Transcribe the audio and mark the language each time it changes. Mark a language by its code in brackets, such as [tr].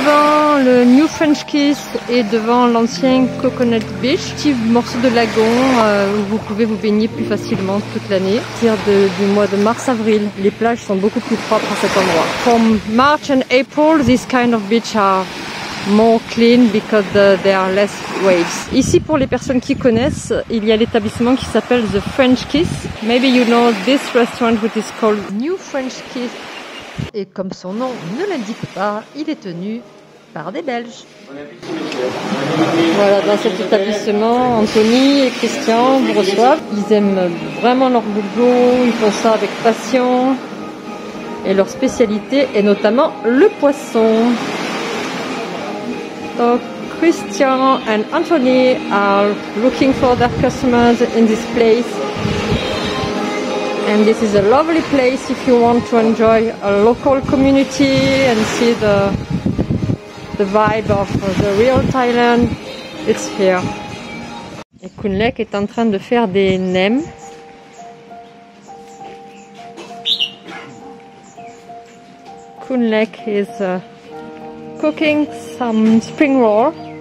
[fr] Devant le New French Kiss et devant l'ancien Coconut Beach, petit morceau de lagon où vous pouvez vous baigner plus facilement toute l'année. À partir du mois de mars-avril, les plages sont beaucoup plus propres à cet endroit. [en] From March and April, this kind of beach are more clean because there are less waves. [fr] Ici, pour les personnes qui connaissent, il y a l'établissement qui s'appelle The French Kiss. [en] Maybe you know this restaurant which is called New French Kiss. [fr] Et comme son nom ne l'indique pas, il est tenu par des Belges. Voilà, dans cet établissement, Anthony et Christian vous reçoivent. Ils aiment vraiment leur boulot, ils font ça avec passion. et leur spécialité est notamment le poisson. [en] Donc, Christian and Anthony are looking for their customers in this place. And this is a lovely place if you want to enjoy a local community and see the vibe of the real Thailand. It's here. [fr] Et Kunlek est en train de faire des nems. [en] Kunlek is cooking some spring roll.